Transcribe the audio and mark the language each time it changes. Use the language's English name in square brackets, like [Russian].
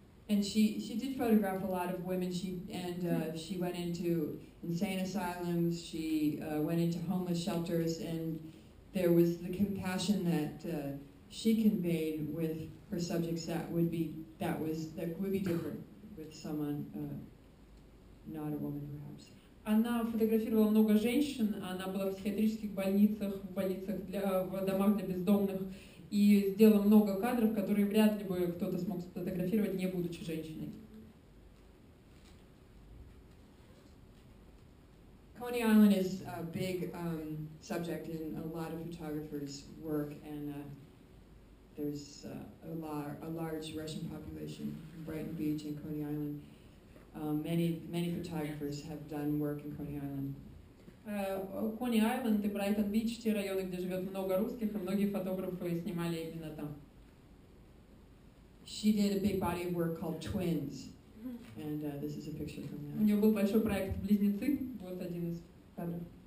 [English] And she did photograph a lot of women. She went into insane asylums. She went into homeless shelters, and there was the compassion that she conveyed with her subjects that would be different with someone not a woman, perhaps. [Russian] Она фотографировала много женщин. Она была в психиатрических больницах, в домах для бездомных. И сделала много кадров, которые вряд ли бы кто-то смог сфотографировать, не будучи женщиной. [English] Coney Island is a big subject in a lot of photographers' work, and There's a large Russian population in Brighton Beach and Coney Island. Many photographers have done work in Coney Island. [Russian] Coney Island и Брайтон Бич – те районы, где живет много русских, и многие фотографы снимали именно там. [English] She did a big body of work called Twins, and this is a picture from that. [Russian] У нее был большой проект «Близнецы», вот один из кадров.